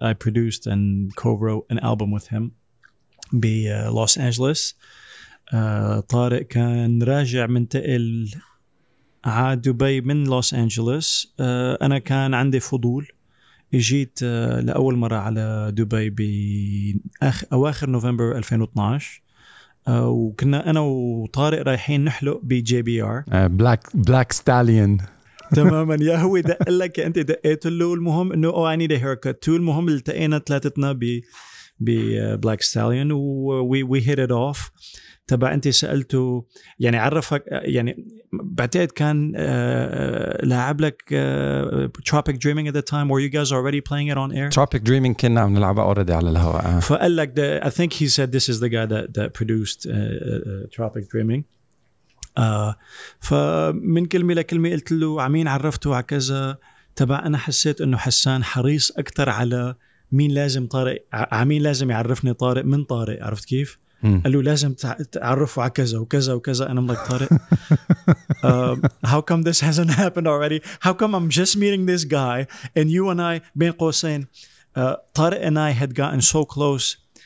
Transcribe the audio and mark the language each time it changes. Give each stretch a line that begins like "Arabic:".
English: I produced and co-wrote an album with him Los Angeles.
Arabic: طارق كان راجع منتقل ع دبي من لوس أنجلوس. أنا كان عندي فضول, جيت لأول مرة على دبي بأواخر نوفمبر 2012, وكنا أنا وطارق رايحين نحلق بـ JBR
English: Black Stallion.
Arabic: تماماً, يا هو دق لك أنت دقيت له. المهم إنه
English: oh I need a haircut too.
Arabic: المهم التقينا ثلاثتنا بـ Black Stallion
English: we hit it off.
Arabic: تبع أنت سألته يعني عرفك يعني بعتقد كان لعب لك
English: Tropic Dreaming at the time, where you guys are already playing it on air.
Arabic: Tropic Dreaming كنا عم نلعبها already على الهواء. فقال لك
English: I think he said this is the guy that produced Tropic Dreaming.
Arabic: فمن كلمة لكلمة قلت له عمين عرفته على كذا. تبع أنا حسيت إنه حسان حريص أكتر على مين لازم طارق, عمين لازم يعرفني طارق من طارق. عرفت كيف؟ قال له لازم تعرفوا على كذا وكذا وكذا. أنا ملك طارق.
English: How come this hasn't happened already? How come I'm just meeting this guy and you and I,
Arabic: بين قوسين,
English: طارق and I had gotten so close.